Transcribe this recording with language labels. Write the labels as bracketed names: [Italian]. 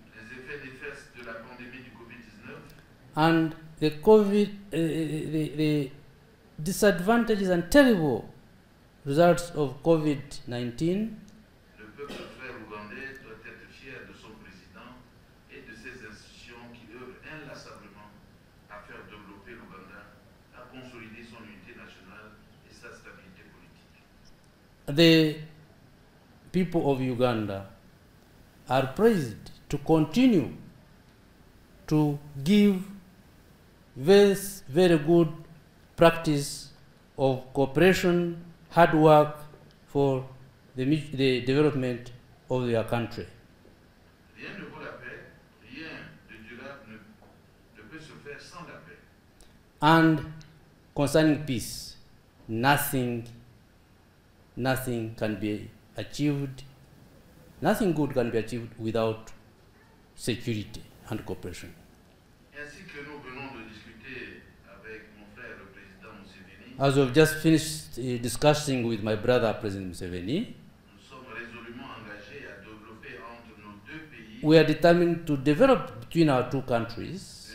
[French] les effets néfastes de la pandémie du COVID-19, [English] and the COVID, the disadvantages and terrible results of COVID-19. [French] Le peuple frère ougandais doit être fier de son président et de ses institutions qui œuvrent inlassablement à faire développer l'Ouganda, à consolider son unité nationale et sa stabilité politique. [English] The people of Uganda are praised to continue to give this very good practice of cooperation, hard work for the development of their country. [French] Rien ne vaut la paix, rien de durable ne peut se faire sans la paix. [English] And concerning peace, nothing can be achieved, nothing good can be achieved without security and cooperation. [French] Ainsi que nous venons de discuter avec mon frère, le président Museveni, [English] as we've just finished discussing with my brother, President Museveni, [French] nous sommes résolument engagés à développer entre nos deux pays, [English] we are determined to develop between our two countries